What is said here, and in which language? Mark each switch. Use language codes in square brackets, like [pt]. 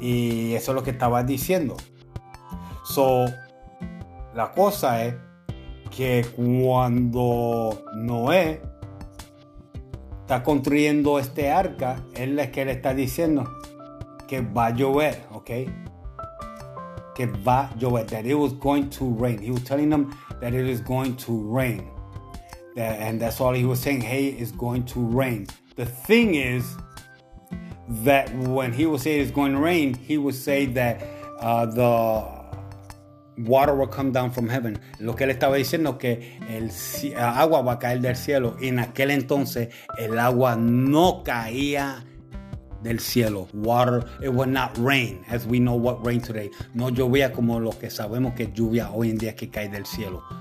[es] Y eso es lo que estaba diciendo. So, la cosa es que cuando Noé está construyendo este arca, él es que le está diciendo que va a llover, ¿ok? [en] Que va a llover, that it was going to rain. He was telling them that it is going to rain. And that's all he was saying. Hey, it's going to rain. The thing is that when he would say it's going to rain, he would say that the water will come down from heaven. [es] Lo que él estaba diciendo que el agua va a caer del cielo. [en] En aquel entonces, el agua no caía del cielo, water, it will not rain, as we know what rain today. [es] No llovía como lo que sabemos que lluvia hoy en día que cae del cielo.